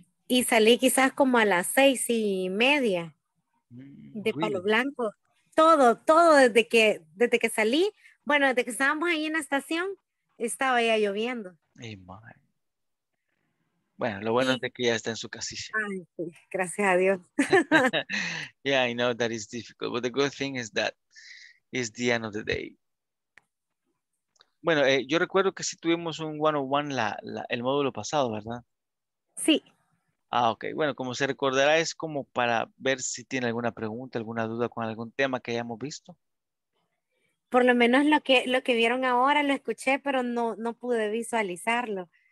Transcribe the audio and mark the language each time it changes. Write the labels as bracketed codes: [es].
[es] Y salí quizás como a las 6:30 de Palo Blanco. Todo desde que salí. Bueno, desde que estábamos ahí en la estación, estaba ya lloviendo. Ay, madre. Bueno, lo bueno es de que ya está en su casilla. Ay, gracias a Dios. [en] Yeah, I know that is difficult. But the good thing is that it's the end of the day. [es] Bueno, yo recuerdo que sí tuvimos un 101 el módulo pasado, ¿verdad? Sí. Ah, ok. Bueno, como se recordará, es como para ver si tiene alguna pregunta, alguna duda con algún tema que hayamos visto. Por lo menos lo que vieron ahora lo escuché, pero no pude visualizarlo.